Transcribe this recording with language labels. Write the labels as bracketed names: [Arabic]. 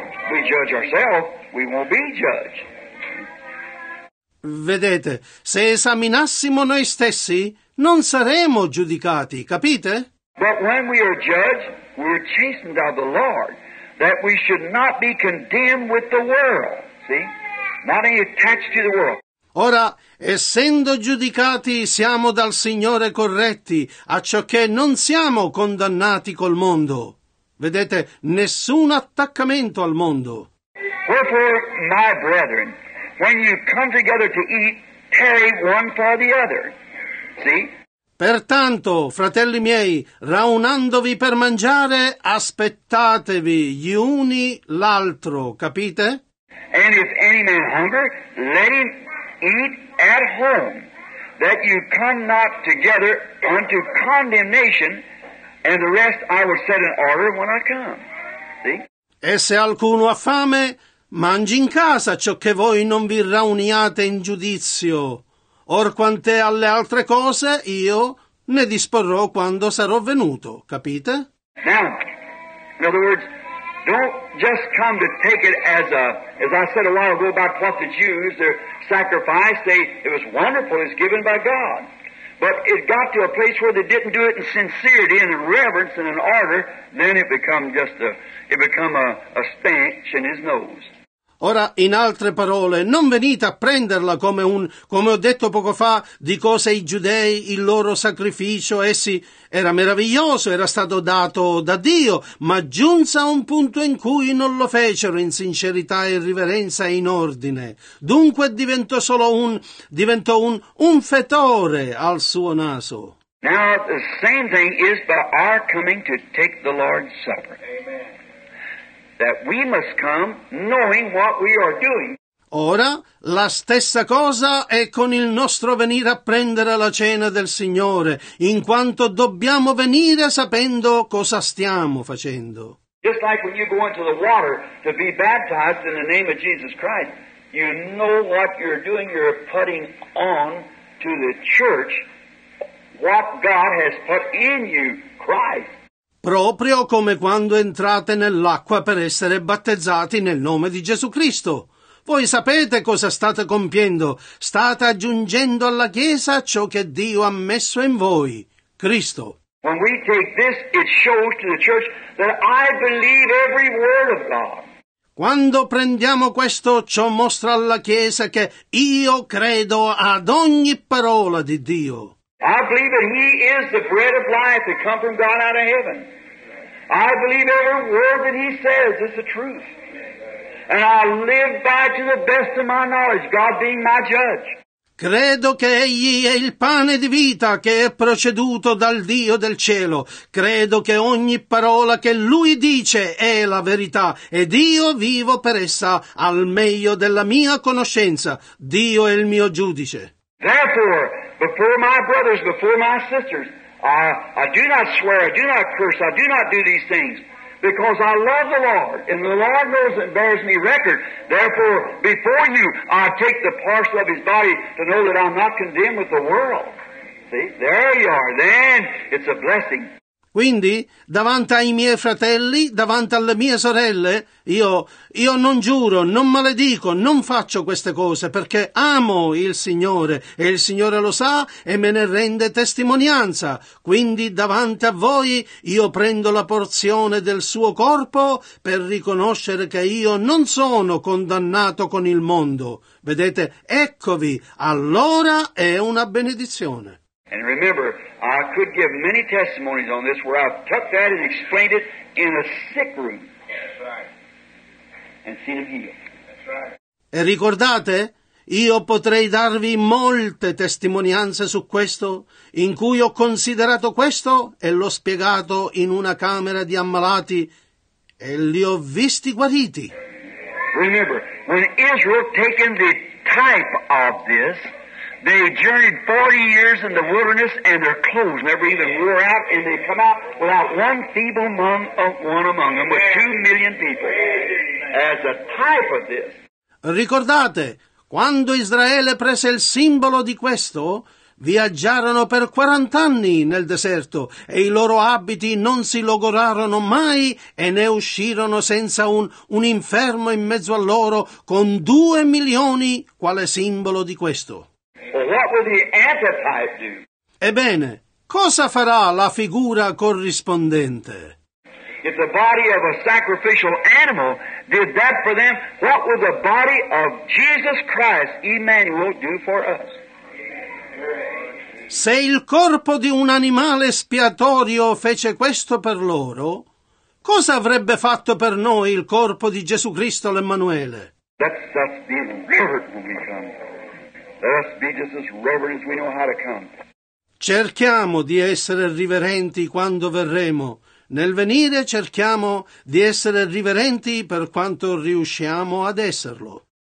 [English] We judge ourselves, we won't be judged. [Italian] Vedete, se esaminassimo noi stessi, non saremmo giudicati, capite? [English] But when we are judged, we are chastened by the Lord. That we should not be condemned with the world, see? Not any attached to the world. [Italian] Ora, essendo giudicati, siamo dal Signore corretti, a ciò che non siamo condannati col mondo. Vedete, nessun attaccamento al mondo. [English] Wherefore, my brethren, when you come together to eat, tarry one for the other, see? [Italian] Pertanto, fratelli miei, raunandovi per mangiare, aspettatevi gli uni l'altro, capite? [English] And if any man hunger, let him eat at home, that you come not together unto condemnation, and the rest I will set in order when I come. See? [Italian] E se alcuno ha fame, mangi in casa, ciò che voi non vi rauniate in giudizio. Or quant'è alle altre cose, io ne disporrò quando sarò venuto, capite? [English] Now, in other words, don't just come to take it as I said a while ago about what the Jews, their sacrifice, it was wonderful, it's given by God. But it got to a place where they didn't do it in sincerity and in reverence and in order, then it become a stench in his nose. [Italian] Ora, in altre parole, non venite a prenderla come ho detto poco fa, di cose i giudei, il loro sacrificio, essi, era meraviglioso, era stato dato da Dio, ma giunse a un punto in cui non lo fecero in sincerità e riverenza e in ordine. Dunque diventò un fetore al suo naso. [English] Now, the same thing is by our coming to take the Lord's Supper. That we must come knowing what we are doing. [Italian] Ora, la stessa cosa è con il nostro venire a prendere la cena del Signore, in quanto dobbiamo venire sapendo cosa stiamo facendo. [English] Just like when you go into the water to be baptized in the name of Jesus Christ, you know what you're doing, you're putting on to the church what God has put in you, Christ. [Italian] Proprio come quando entrate nell'acqua per essere battezzati nel nome di Gesù Cristo. Voi sapete cosa state compiendo. State aggiungendo alla Chiesa ciò che Dio ha messo in voi, Cristo. [English] When we take this, it shows to the church that I believe every word of God. [Italian] Quando prendiamo questo, ciò mostra alla Chiesa che io credo ad ogni parola di Dio. [English] I believe that He is the bread of life that come from God out of heaven. I believe every word that He says is the truth. And I live by to the best of my knowledge, God being my judge. [Italian] Credo che Egli è il pane di vita che è proceduto dal Dio del cielo. Credo che ogni parola che Lui dice è la verità ed io vivo per essa al meglio della mia conoscenza. Dio è il mio giudice. [English] Therefore, before my brothers, before my sisters, I do not swear, I do not curse, I do not do these things. Because I love the Lord, and the Lord knows and bears me record. Therefore, before you, I take the parcel of His body to know that I'm not condemned with the world. See, there you are. Then it's a blessing. [Italian] Quindi, davanti ai miei fratelli, davanti alle mie sorelle, io non giuro, non maledico, non faccio queste cose, perché amo il Signore, e il Signore lo sa, e me ne rende testimonianza. Quindi, davanti a voi, io prendo la porzione del suo corpo per riconoscere che io non sono condannato con il mondo. Vedete, eccovi, allora è una benedizione. [English] And remember, I could give many testimonies on this where I've tucked that and explained it in a sick room. That's right. And seen him healed. That's right. [Italian] E ricordate, io potrei darvi molte testimonianze su questo, in cui ho considerato questo e l'ho spiegato in una camera di ammalati e li ho visti guariti. [English] Remember, when Israel taken the type of this, they journeyed 40 years in the wilderness and their clothes never even wore out, and they come out without one feeble among them, with 2 million people. As a type of this. [Italian] Ricordate, quando Israele prese il simbolo di questo, viaggiarono per 40 anni nel deserto, e i loro abiti non si logorarono mai, e ne uscirono senza un infermo in mezzo a loro, con 2 milioni, quale simbolo di questo. [English] What will the antitype do? [Italian] Ebbene, cosa farà la figura corrispondente? [English] If the body of a sacrificial animal did that for them, what will the body of Jesus Christ, Emmanuel, do for us? [Italian] Se il corpo di un animale espiatorio fece questo per loro, cosa avrebbe fatto per noi il corpo di Gesù Cristo l'Emmanuele? [English] That's the word when we come. Let us be just as reverent as we know how to come. [Italian] Cerchiamo di essere riverenti quando verremo. Nel venire cerchiamo di essere riverenti per quanto riusciamo ad esserlo.